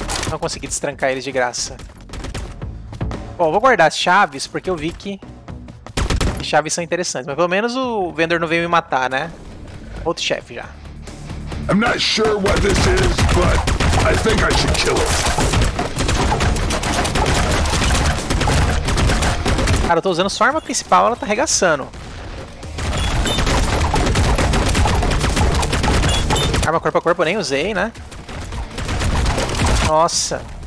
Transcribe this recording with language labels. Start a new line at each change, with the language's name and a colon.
Portuguese: Não consegui destrancar eles de graça. Bom, vou guardar as chaves, porque eu vi que chaves são interessantes. Mas pelo menos o vendedor não veio me matar, né? Outro chefe já.
English: I'm not sure what this is, but I think I should kill it.
Portuguese: Cara, eu tô usando só a arma principal, ela tá arregaçando. Arma corpo a corpo eu nem usei, né? Nossa.